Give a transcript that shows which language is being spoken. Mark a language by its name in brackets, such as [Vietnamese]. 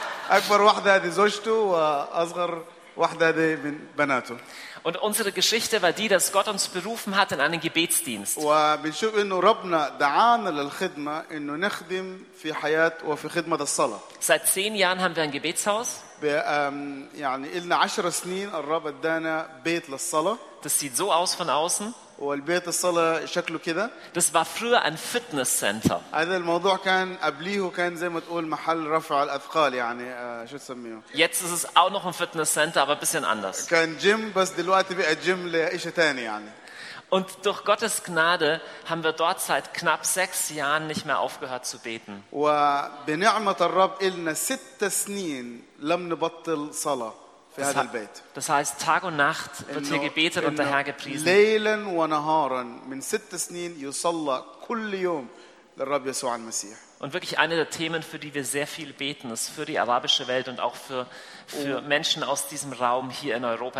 [Arabic] أكبر واحدة هذه زوجته وأصغر واحدة هذه من بناته. [German] Und unsere Geschichte war die, dass Gott uns berufen hat in einen Gebetsdienst. [Arabic] وبنشوف إنه ربنا دعانا للخدمة إنه نخدم في حياة وفي خدمة الصلاة. [German] Seit 10 Jahren haben wir ein Gebetshaus. [Arabic] يعني إلنا 10 سنين الرب ادانا بيت للصلاة. [German] Das sieht so aus von außen. [Arabic] والبيت الصلاة شكله كده. [German] Das war früher ein Fitnesscenter. [Arabic] هذا الموضوع كان قبليه كان زي ما تقول محل رفع الأثقال يعني شو تسميه. [German] Jetzt ist es auch noch ein Fitnesscenter, aber ein bisschen anders. [Arabic] كان جيم بس دلوقتي بقى جيم لإشي تاني يعني. [German] Und durch Gottes Gnade haben wir dort seit knapp 6 Jahren nicht mehr aufgehört zu beten. [Arabic] وبنعمة الرب إلنا 6 سنين لم نبطل صلاة. [German] Das heißt, Tag und Nacht wird hier gebetet und der Herr gepriesen. Und wirklich eine der Themen, für die wir sehr viel beten, ist für die arabische Welt und auch für Menschen aus diesem Raum hier in Europa.